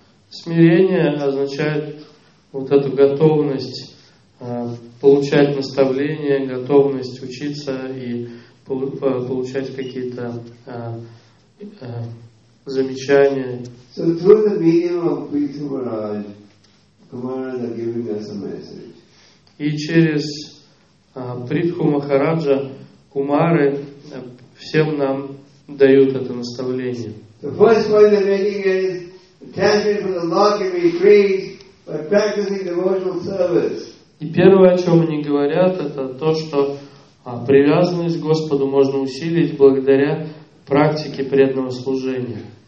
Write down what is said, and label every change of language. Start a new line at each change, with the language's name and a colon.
Russian: Смирение означает вот эту готовность получать наставления, готовность учиться и получать какие-то замечания.
English: So through the medium of Prithu Maharaj, Kumaras are giving us a message.
Russian: И через Притху Махараджа Кумары всем нам дают это наставление.
English: The first point they're making is attachment from the law can be freed by practicing devotional service.
Russian: И первое, о чем они говорят, это то, что привязанность к Господу можно усилить благодаря практике преданного служения.